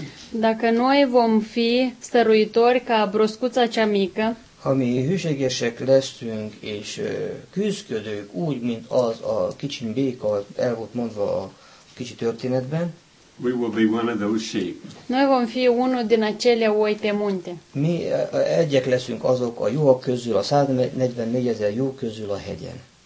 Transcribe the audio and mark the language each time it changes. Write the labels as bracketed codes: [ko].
[ro] Dacă noi vom fi stăruitori ca broscuța cea mică, [hu] ha mi hűségesek leszünk és küzdködők úgy, mint az a kicsi béka, el volt mondva a kicsi történetben, [en] we will be one of those sheep. [ro] Noi vom fi unul din acele oi pe munte. [hu] Mi egyek leszünk azok a jók közül, a 144 000 jó közül a hegyen.